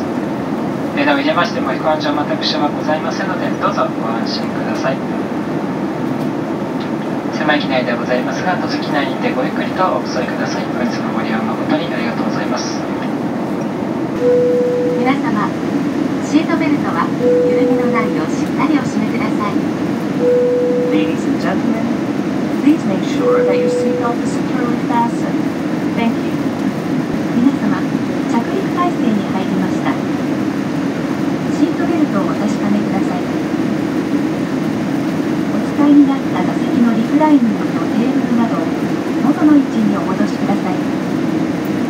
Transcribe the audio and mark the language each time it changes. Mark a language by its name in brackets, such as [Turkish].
[Japanese] なお入れましても飛行場全く支障はございませんのでどうぞご安心ください。狭い機内ではございますが、都市機内にてごゆっくりとお座りください。本日のご利用誠にありがとうございます。皆様、シートベルトは緩みのないようしっかりお締めください。 [English] Ladies and gentlemen, please make sure that your seatbelt is securely fastened. Thank you. [Japanese] 皆様、着陸態勢に入りました。シートベルトをお確かめください。お使いになった座席のリクライニングとテーブルなどを元の位置にお戻しください。